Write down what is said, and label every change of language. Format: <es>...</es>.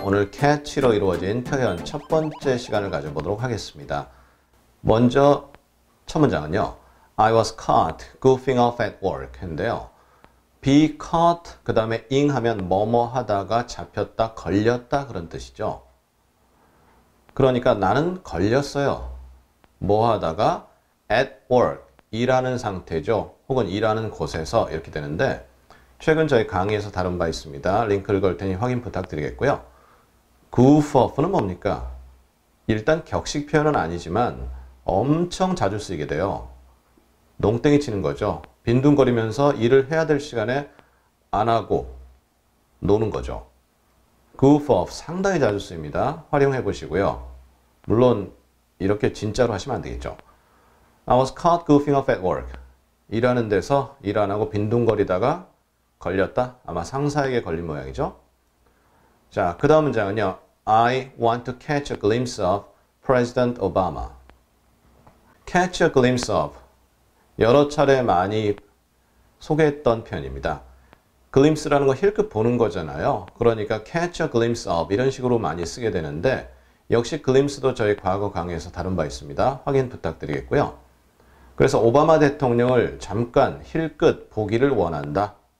<ko>오늘 catch로 이루어진 표현 첫 번째 시간을 가져보도록 하겠습니다. 먼저 첫 문장은요.</ko> <en>I was caught goofing off at work</en> <ko>인데요. be caught, 그 다음에 ing 하면 뭐뭐 하다가 잡혔다, 걸렸다 그런 뜻이죠. 그러니까 나는 걸렸어요. 뭐 하다가 at work, 일하는 상태죠. 혹은 일하는 곳에서 이렇게 되는데 최근 저희 강의에서 다룬 바 있습니다. 링크를 걸 테니 확인 부탁드리겠고요. goof off는 뭡니까? 일단 격식 표현은 아니지만 엄청 자주 쓰이게 돼요. 농땡이 치는 거죠. 빈둥거리면서 일을 해야 될 시간에 안 하고 노는 거죠. goof off 상당히 자주 쓰입니다. 활용해 보시고요. 물론 이렇게 진짜로 하시면 안 되겠죠.</ko> <en>I was caught goofing off at work.</en> <ko>일하는 데서 일 안 하고 빈둥거리다가 걸렸다. 아마 상사에게 걸린 모양이죠. 자, 그 다음 문장은요.</ko> <en>I want to catch a glimpse of President Obama. Catch a glimpse of.</en> <ko>여러 차례 많이 소개했던 표현입니다. glimpse라는 거 힐끗 보는 거잖아요. 그러니까 catch a glimpse of 이런 식으로 많이 쓰게 되는데 역시 glimpse도 저희 과거 강의에서 다룬 바 있습니다. 확인 부탁드리겠고요. 그래서 오바마 대통령을 잠깐 힐끗 보기를 원한다.</ko>